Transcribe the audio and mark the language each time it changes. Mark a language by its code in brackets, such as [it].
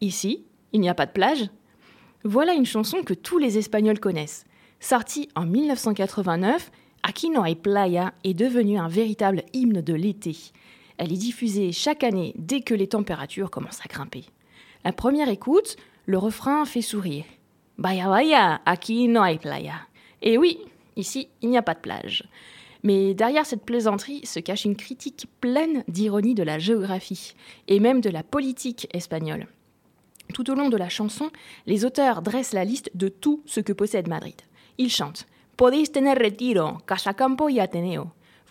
[fr] Ici, il n'y a pas de plage. Voilà une chanson que tous les Espagnols connaissent. Sortie en 1989, « Aquí no hay playa » est devenue un véritable hymne de l'été. Elle est diffusée chaque année dès que les températures commencent à grimper. La première écoute, le refrain fait sourire. [es] « Vaya vaya, aquí no hay playa !» [fr] Et oui, ici, il n'y a pas de plage. Mais derrière cette plaisanterie se cache une critique pleine d'ironie de la géographie, et même de la politique espagnole. Tout au long de la chanson, les auteurs dressent la liste de tout ce que possède Madrid. Ils chantent « [es] Podéis tener Retiro, Casa Campo y Ateneo ».